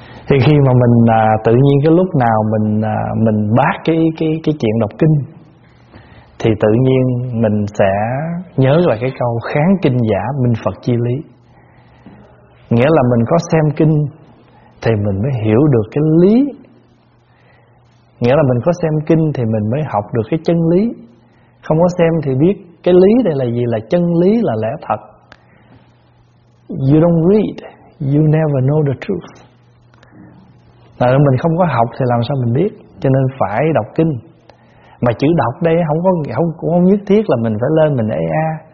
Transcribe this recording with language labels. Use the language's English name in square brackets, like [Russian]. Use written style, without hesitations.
[Vietnamese] Thì khi mà mình tự nhiên cái lúc nào mình bác cái chuyện đọc kinh, thì tự nhiên mình sẽ nhớ là cái câu kháng kinh giả, minh Phật chi lý. Nghĩa là mình có xem kinh thì mình mới hiểu được cái lý. Nghĩa là mình có xem kinh thì mình mới học được cái chân lý. Không có xem thì biết cái lý đây là gì, là chân lý, là lẽ thật. [English] You don't read, you never know the truth. [Vietnamese] Là mình không có học thì làm sao mình biết. Cho nên phải đọc kinh. Mà chữ đọc đây không nhất thiết là mình phải lên mình AA.